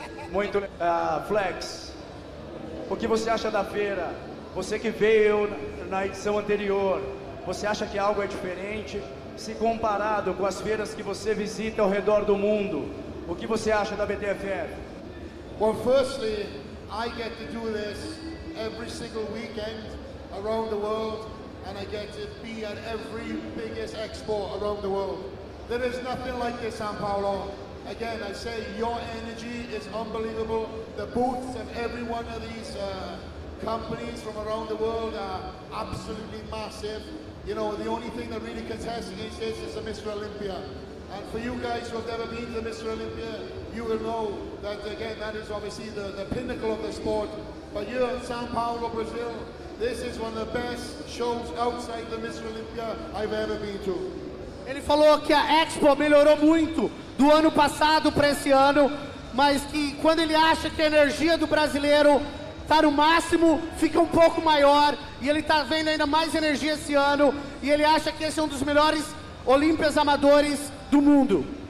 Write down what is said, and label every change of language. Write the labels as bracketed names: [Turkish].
[Portuguese] Muito Flex, o que você acha da feira? Você que veio na edição anterior, você acha que algo é diferente? Se comparado com as feiras que você visita ao redor do mundo, o que você acha da BTFF? [English] Well, firstly, I get to do this every single weekend around the world, and I get to be at every biggest expo around the world. There is nothing like this, São Paulo. Again, I say, your energy is unbelievable. The booths of every one of these companies from around the world are absolutely massive. You know, the only thing that really contests against this is the Mr. Olympia. And for you guys who have never been to the Mr. Olympia, you will know that, again, that is obviously the pinnacle of the sport. But here in São Paulo, Brazil, this is one of the best shows outside the Mr. Olympia I've ever been to. [Portuguese] Ele falou que a Expo melhorou muito do ano passado para esse ano, mas que quando ele acha que a energia do brasileiro está no máximo, fica um pouco maior, e ele está vendo ainda mais energia esse ano, e ele acha que esse é um dos melhores Olímpias amadores do mundo.